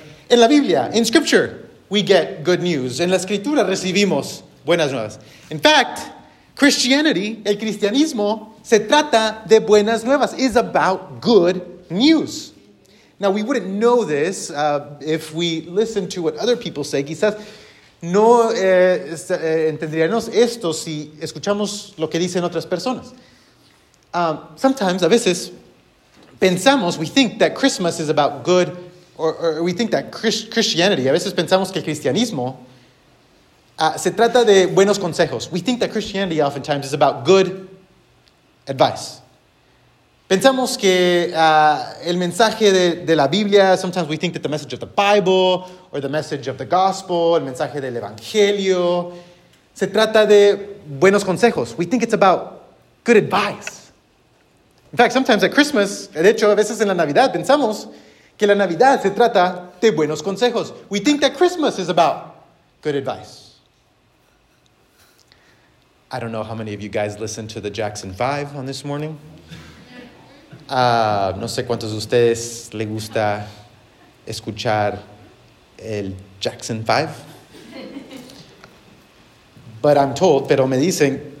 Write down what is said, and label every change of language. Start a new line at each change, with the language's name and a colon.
Spanish: En la Biblia,
English: in Scripture, we get good news.
Spanish: En la Escritura recibimos buenas nuevas.
English: In fact, Christianity,
Spanish: el cristianismo, se trata de buenas nuevas,
English: is about good news. Now, we wouldn't know this if we listen to what other people say.
Spanish: Quizás no entenderíamos esto si escuchamos lo que dicen otras personas.
English: Sometimes,
Spanish: a veces, pensamos,
English: we think that Christmas is about good news. Or we think that Christianity,
Spanish: a veces pensamos que el cristianismo se trata de buenos consejos.
English: We think that Christianity oftentimes is about good advice.
Spanish: Pensamos que el mensaje de la Biblia,
English: sometimes we think that the message of the Bible or the message of the gospel,
Spanish: el mensaje del evangelio, se trata de buenos consejos.
English: We think it's about good advice. In fact, sometimes at Christmas,
Spanish: de hecho, a veces en la Navidad, pensamos que la Navidad se trata de buenos consejos.
English: We think that Christmas is about good advice. I don't know how many of you guys listened to the Jackson 5 on this morning.
Spanish: No sé cuántos de ustedes les gusta escuchar el Jackson 5.
English: But I'm told,
Spanish: pero me dicen,